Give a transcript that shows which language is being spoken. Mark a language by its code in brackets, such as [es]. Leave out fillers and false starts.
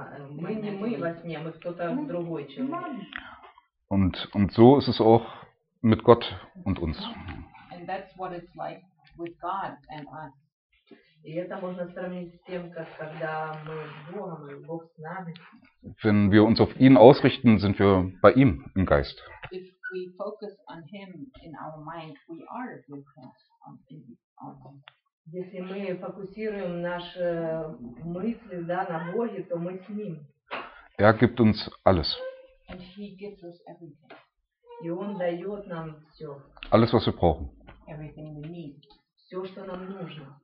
[ru] Мы не мы во сне, мы кто-то другой человек. [de] Und so ist es auch mit Gott und uns. [en] And that's what it's like. With God and us. [ru] И это можно сравнить с тем, как когда мы с Богом, и Бог с нами. [de] Wenn wir uns auf ihn ausrichten, sind wir bei ihm im Geist. [en] If we focus on him in our mind, we are with him. [ru] Если мы фокусируем наши мысли, да, на Боге, то мы с ним. [de] Er gibt uns alles. [en] And he gives us everything. [ru] И он дает нам все. [de] Alles, was wir brauchen. [en] Everything we need. [ru] Все, что нам нужно.